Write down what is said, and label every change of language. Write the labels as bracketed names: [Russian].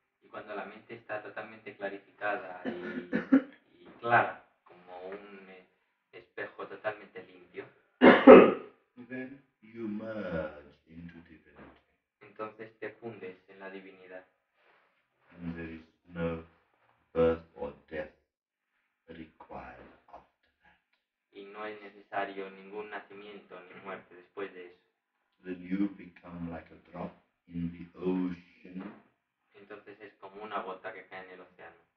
[Spanish] Cuando la mente está totalmente clarificada y clara, como un espejo totalmente limpio, [English] then you merge into divinity. [Spanish] Entonces te fundes en la divinidad. [English] And there is no birth or death required after that. [Spanish] Y no es necesario ningún nacimiento ni muerte después de eso. [English] Then you become like a drop in the ocean. [Spanish] Entonces es como una gota que cae en el océano.